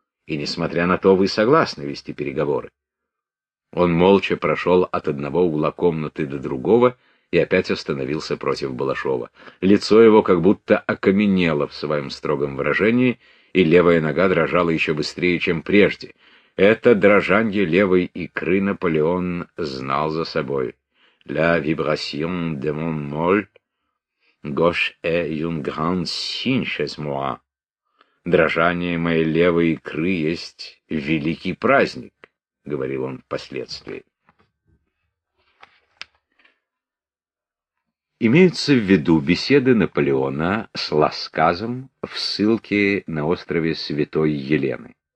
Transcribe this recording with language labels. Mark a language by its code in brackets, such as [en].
[ru] И несмотря на то, вы согласны вести переговоры». Он молча прошел от одного угла комнаты до другого и опять остановился против Балашова. Лицо его как будто окаменело в своем строгом выражении, и левая нога дрожала еще быстрее, чем прежде. Это дрожанье левой икры Наполеон знал за собой. [fr] «La vibration de mon mollet gauche est une grande signe chez moi». [ru] «Дрожание моей левой икры есть великий праздник», — говорил он впоследствии. Имеются в виду беседы Наполеона с Ласказом в ссылке на острове Святой Елены.